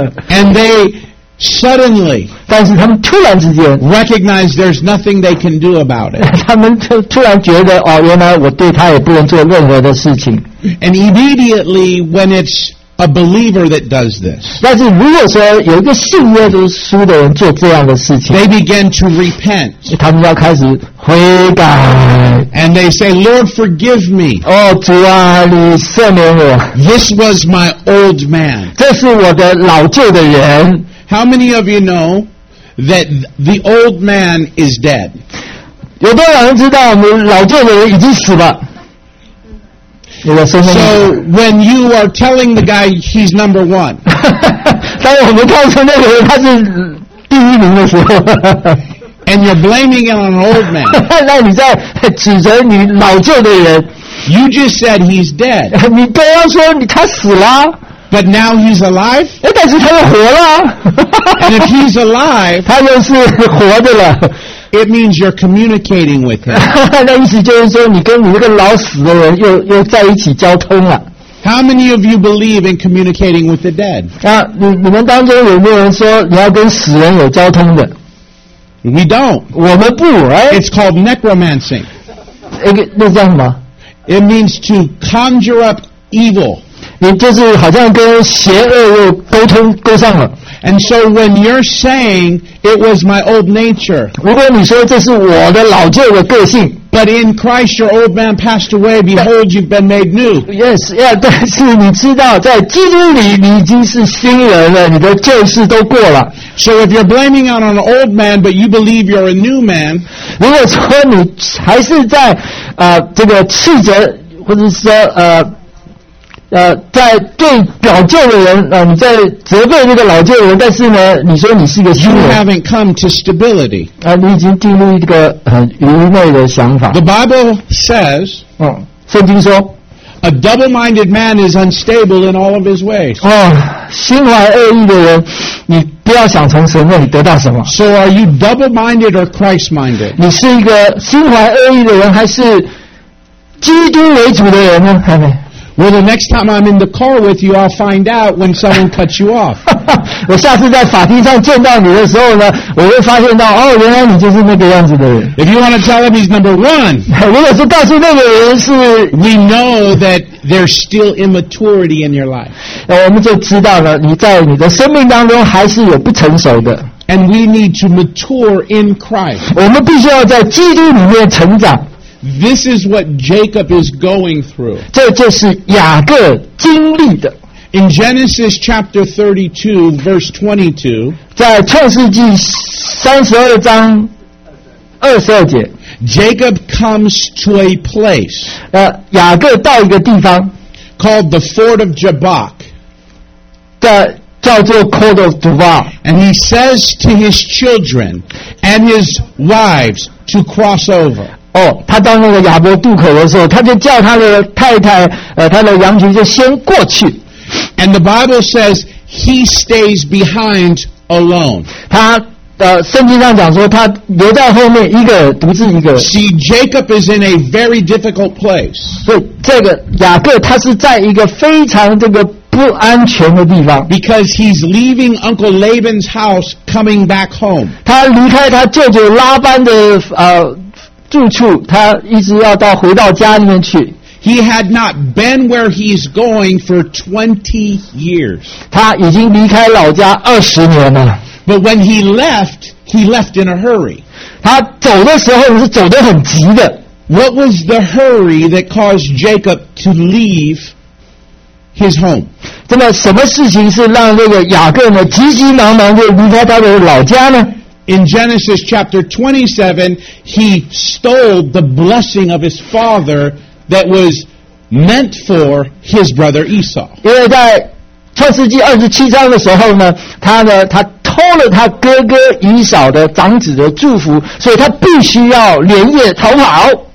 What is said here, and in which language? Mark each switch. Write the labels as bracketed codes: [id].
[en] And they. Suddenly, [zh] 但是他们突然之间 [en] recognize there's nothing they can do about it. [zh] 他们突然觉得哦，原来我对他也不能做任何的事情。 [en] And immediately, when it's a believer that does this, [zh] 但是如果说有一个信耶稣的人做这样的事情 [en] ，they begin to repent. [zh] 他们要开始悔改。 [en] And they say, Lord, forgive me. [zh] 哦，主啊，你赦免我。 [en] This was my old man. [zh] 这是我的老旧的人。 [en] How many of you know that the old man is dead? [zh] 有多少人知道我们老旧的人已经死了？ [en] So when you are telling the guy he's number one, [zh] 当我们告诉那个人他是第一名的时候 [en] and you're blaming it on an old man, [zh] 那你在指责你老旧的人 [en] you just said he's dead. [zh] 你都要说他死了。 [en] But now he's alive. [zh] 但是他又活了。 [en] And if he's alive, [zh] 他又是活的了。 [en] It means you're communicating with him. [zh] 那意思就是说，你跟你那个老死的人又在一起交通了。 [en] How many of you believe in communicating with the dead? [zh] 你们当中有没有人说你要跟死人有交通的？ [en] We don't. [zh] 我们不 ，right? [en] It's called necromancing. [zh] 那叫什么？ [en] It means to conjure up evil. [zh] 你就是好像跟邪恶又沟通沟上了。 [en] And so when you're saying it was my old nature, [zh] 如果你说这是我的老旧的个性 [en] ，But in Christ your old man passed away. Behold, you've been made new. Yes, yeah. [zh] 但是你知道，在基督里你已经是新人了，你的旧事都过了。 [en] So if you're blaming on an old man, but you believe you're a new man, [zh] 如果说你还是在这个斥责，或者是说在对老旧的人你在责备那个老旧的人，但是呢，你说你是一个新人。 [en] You haven't come to stability. [zh] 你已经进入一个愚昧的想法。 [en] The Bible says, [zh] 圣经说 [en] ，A double-minded man is unstable in all of his ways. [zh] 心怀恶意的人，你不要想从神那里得到什么。 [en] So are you double-minded or Christ-minded? [zh] 你是一个心怀恶意的人，还是基督为主的人呢？还没。 [en] Well, the next time I'm in the car with you, I'll find out when someone cuts you off. [zh] 我下次在法庭上见到你的时候呢，我会发现到哦，原来你就是那个样子的人。 [en] If you want to tell him he's number one, [zh] 如果是告诉那个人是 [en] ，We know that there's still immaturity in your life. [zh] 我们就知道了你在你的生命当中还是有不成熟的。 [en] And we need to mature in Christ. [zh] 我们必须要在基督里面成长。 [en] This is what Jacob is going through. [zh] 这就是雅各经历的。 [en] In Genesis chapter 32, verse 22, [zh] 在创世纪32章22节 [en] Jacob comes to a place, [zh] 雅各到一个地方 [en] called the Fort of Jabbok, [zh] 叫做 Court of Duval. [en] And he says to his children and his wives to cross over. [zh] 他到那个亚伯渡口的时候，他就叫他的太太，他的羊群就先过去。 [en] And the Bible says he stays behind alone. [zh] 他圣经上讲说，他留在后面一个独自一个。 [en] See, Jacob is in a very difficult place. [zh] 所以这个雅各他是在一个非常这个不安全的地方。 [en] Because he's leaving Uncle Laban's house, coming back home. [zh] 他离开他舅舅拉班的住处，他一直要到回到家里面去。 [en] He had not been where he's going for 20 years. [zh] 他已经离开老家二十年了。 [en] But when he left in a hurry. [zh] 他走的时候是走得很急的。 [en] What was the hurry that caused Jacob to leave his home? [zh] 那么什么事情是让这个雅各呢急急忙忙地离开他的老家呢？ [en] In Genesis chapter 27, he stole the blessing of his father that was meant for his brother Esau. [zh] 因为在创世纪27章的时候呢，他偷了他哥哥以扫的长子的祝福，所以他必须要连夜逃跑。